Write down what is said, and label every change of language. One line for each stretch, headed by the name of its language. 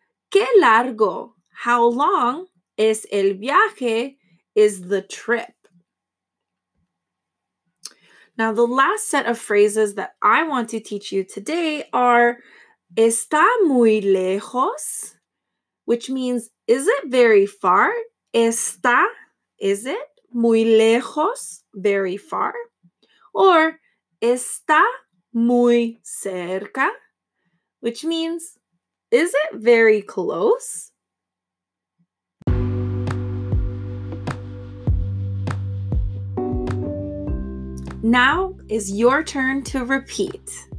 Spanish: ¿Qué largo?
English: How long
Spanish: es el viaje?
English: Is the trip. Now, the last set of phrases that I want to teach you today are
Spanish: ¿está muy lejos?,
English: which means is it very far?
Spanish: ¿Está?
English: Is it?
Spanish: ¿Muy lejos?
English: Very far. or
Spanish: está muy cerca,
English: which means, is it very close? Now is your turn to repeat.